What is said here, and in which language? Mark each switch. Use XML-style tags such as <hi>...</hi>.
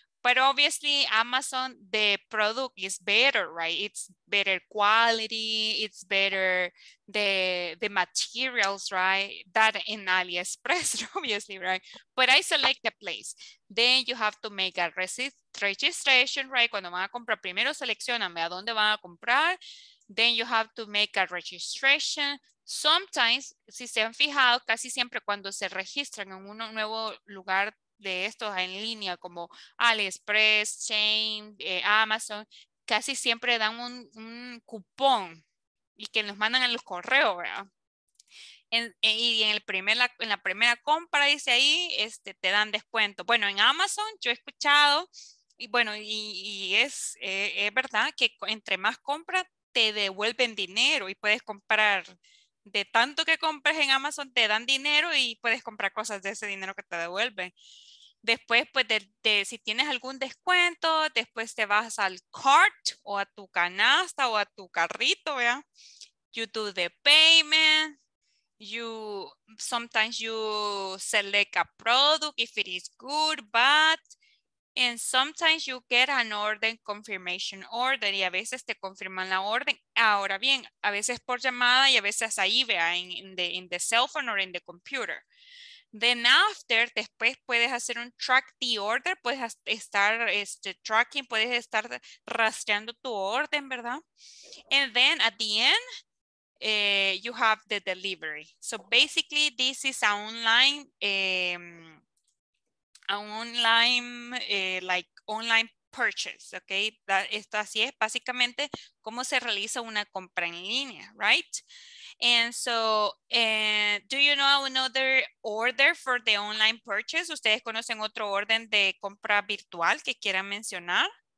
<en>But obviously, Amazon, the product is better, right? It's better quality, it's better the materials, right? That in AliExpress, obviously, right? But I select the place. Then you have to make a registration, right?</en> <es>Cuando van a comprar, primero seleccionan a dónde van a comprar.</es> <en>Then you have to make a registration.</en> <es>Sometimes, si se han fijado, casi siempre cuando se registran en un nuevo lugar de estos en línea como AliExpress, Chain, Amazon, casi siempre dan un cupón y que nos mandan en los correos, ¿verdad? En la primera compra dice ahí, te dan descuento. Bueno, en Amazon yo he escuchado y bueno, y es verdad que entre más compras te devuelven dinero y puedes comprar. De tanto que compres en Amazon te dan dinero y puedes comprar cosas de ese dinero que te devuelven. Después, pues, si tienes algún descuento, después te vas al cart o a tu canasta o a tu carrito, ¿ya?</es> <en>You do the payment. Sometimes you select a product if it is good, bad. And sometimes you get an order confirmation order.</en> <es>Y a veces te confirman la orden. Ahora bien, a veces por llamada y a veces ahí, ¿vea?</es> <en>In the cell phone or in the computer. Then after,</en> <es>después puedes hacer un</es> <en>track the order,</en> <es>puedes estar tracking, puedes estar rastreando tu orden, ¿verdad?</es> <en>And then at the end, you have the delivery. So basically, this is an online, online purchase, okay?</en> <es>Esto así es básicamente cómo se realiza una compra en línea, right?</es> <en>And so, do you know another order for the online purchase?</en> <es>¿Ustedes conocen otro orden de compra virtual que quieran mencionar?</es>